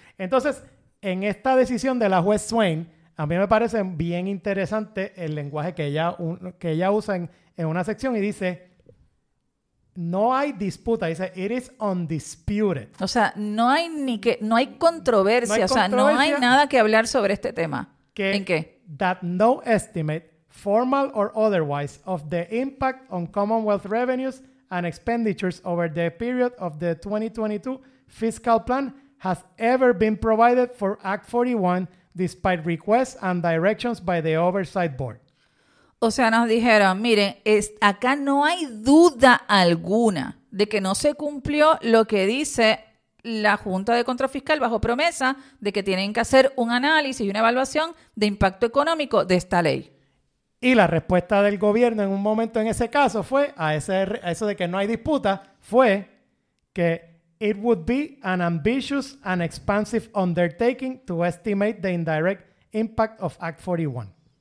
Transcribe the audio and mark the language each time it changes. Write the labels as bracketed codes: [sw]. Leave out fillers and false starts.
[es] Entonces, en esta decisión de la juez Swain, a mí me parece bien interesante el lenguaje que ella usa en una sección y dice... No hay disputa, dice, it is undisputed. O sea, no hay controversia, no hay nada que hablar sobre este tema. Que, ¿en qué? [en] That no estimate, formal or otherwise, of the impact on Commonwealth revenues and expenditures over the period of the 2022 fiscal plan has ever been provided for Act 41, despite requests and directions by the Oversight Board. [es] O sea, nos dijeron, miren, acá no hay duda alguna de que no se cumplió lo que dice la Junta de Control Fiscal bajo promesa de que tienen que hacer un análisis y una evaluación de impacto económico de esta ley. Y la respuesta del gobierno en un momento en ese caso fue, a eso de que no hay disputa, fue que it would be an ambitious and expansive undertaking to estimate the indirect impact of Act 41.